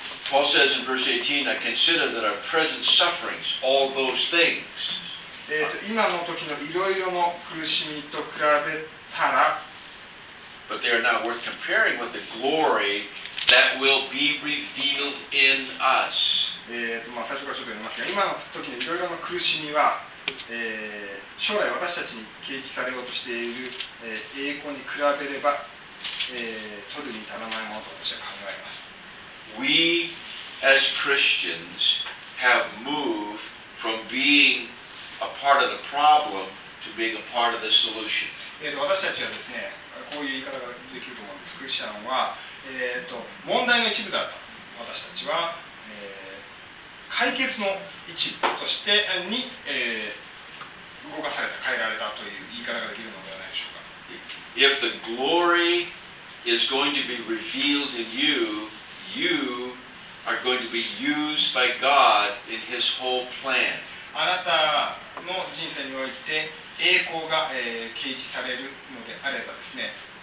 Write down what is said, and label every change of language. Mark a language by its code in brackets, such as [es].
[en] Paul says in verse 18, I consider that our present sufferings, all those things. [ja] 今の時のいろいろの苦しみと比べたら、 [en] But they are not worth comparing with the glory that will be revealed in us. [ja] まあ、最初からちょっと読みますが、今の時のいろいろの苦しみは、将来私たちに掲示されようとしている、栄光に比べれば、取るに足らないものと私は考えます。 [en] We as Christians have moved from being a part of the problem to being a part of the solution. [ja] 私たちはですね、こういう言い方ができると思うんです。クリスチャンは、問題の一部だと。私たちは、解決の一部としてに、動かされた、変えられたという言い方ができるのではないでしょうか。 [en] If the glory is going to be revealed in you, you are going to be used by God in His whole plan. [ja] あなたの人生において栄光が、掲示されるのであればですね、